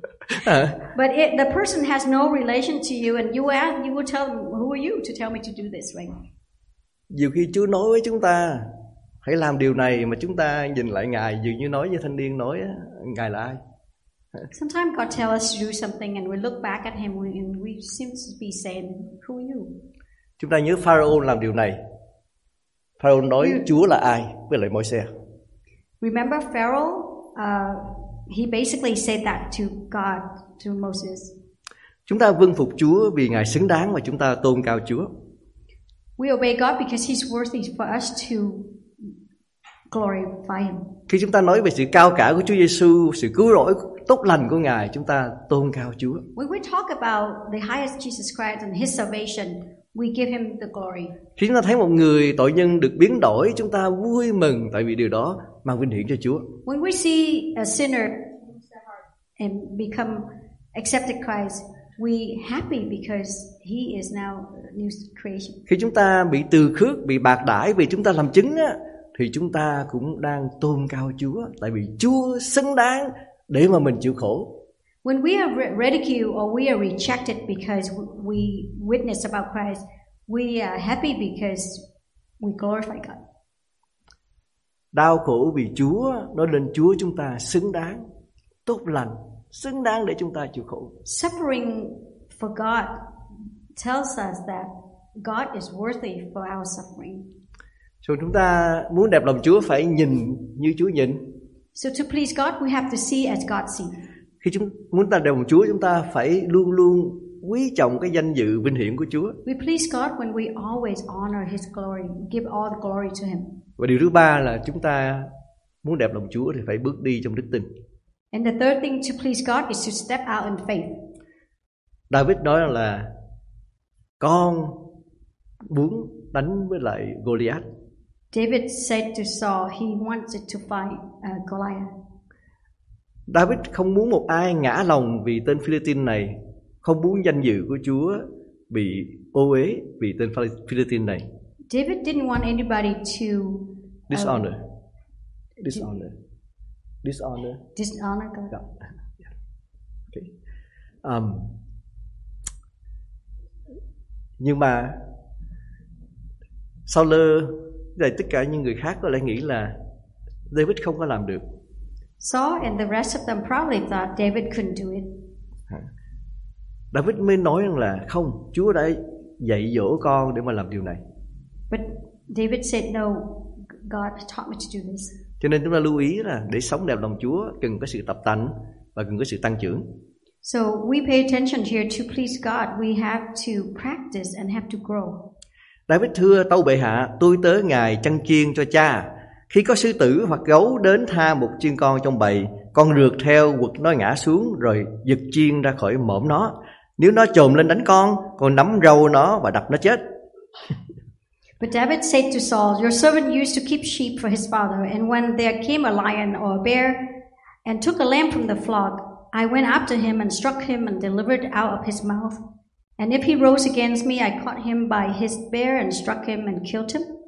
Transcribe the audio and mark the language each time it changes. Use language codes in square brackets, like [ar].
[en] But if the person has no relation to you and you ask, you will tell them, who are you to tell me to do this, right? [vi] Nhiều khi Chúa nói với chúng ta hãy làm điều này mà chúng ta nhìn lại Ngài dường như nói với thanh niên nói Ngài là ai? [en] Sometimes God tells us to do something and we look back at him and we seem to be saying, who are you? [vi] Chúng ta nhớ Pharaoh làm điều này. Pharaoh nói Chúa là ai với lại Moses. [en] Remember Pharaoh, he basically said that to God, to Moses. [vi] Chúng ta vâng phục Chúa vì Ngài xứng đáng và chúng ta tôn cao Chúa. [en] We obey God because he's worthy for us to glorify him. [vi] Khi chúng ta nói về sự cao cả của Chúa Giêsu, sự cứu rỗi tốt lành của Ngài, chúng ta tôn cao Chúa. [en] When we talk about the highest Jesus Christ and his salvation, we give him the glory. [vi] Khi chúng ta thấy một người tội nhân được biến đổi, chúng ta vui mừng tại vì điều đó mang vinh hiển cho Chúa. [en] When we see a sinner and become accepted Christ, we happy because he is now a new creation. [vi] Khi chúng ta bị từ khước, bị bạc đãi vì chúng ta làm chứng á, thì chúng ta cũng đang tôn cao Chúa tại vì Chúa xứng đáng để mà mình chịu khổ. [en] When we are ridiculed or we are rejected because we witness about Christ, we are happy because we glorify God. [vi] Đau khổ vì Chúa, nó lên Chúa chúng ta xứng đáng, tốt lành, xứng đáng để chúng ta chịu khổ. [en] Suffering for God tells us that God is worthy for our suffering. [vi] So chúng ta muốn đẹp lòng Chúa phải nhìn như Chúa nhìn. [en] So to please God, we have to see as God sees. [vi] Khi chúng muốn ta đẹp lòng Chúa, chúng ta phải luôn luôn quý trọng cái danh dự vinh hiển của Chúa. [en] We please God when we always honor his glory, give all the glory to him. [vi] Và điều thứ ba là chúng ta muốn đẹp lòng Chúa thì phải bước đi trong đức tin. [en] And the third thing to please God is to step out in faith. [vi] David nói là con muốn đánh với lại Goliath. [en] David said to Saul he wanted to fight Goliath. [vi] David không muốn một ai ngã lòng vì tên Philistine này, không muốn danh dự của Chúa bị ô uế vì tên Philistine này. [en] David didn't want anybody to dishonor. Dishonor God. Okay. [vi] Nhưng mà Saul và tất cả những người khác có lẽ nghĩ là David không có làm được. [en] Saul and the rest of them probably thought David couldn't do it. [vi] David mới nói rằng là không, Chúa đã dạy dỗ con để mà làm điều này. [en] But David said no, God taught me to do this. [vi] Cho nên chúng ta lưu ý là để sống đẹp lòng Chúa cần có sự tập tành và cần có sự tăng trưởng. [en] So we pay attention here to please God, we have to practice and have to grow. [vi] David thưa tâu bệ hạ, tôi tớ Ngài chăn chiên cho cha. Khi có sư tử hoặc gấu đến tha một chiên con trong bầy, con rượt theo quật nó ngã xuống rồi giật chiên ra khỏi mõm nó. Nếu nó chồm lên đánh con nắm râu nó và đập nó chết. [en] But David said to Saul, your servant used to keep sheep for his father, and when there came a lion or a bear and took a lamb from the flock, I went after him and struck him and delivered out of his mouth. And if he rose against me, I caught him by his beard and struck him and killed him.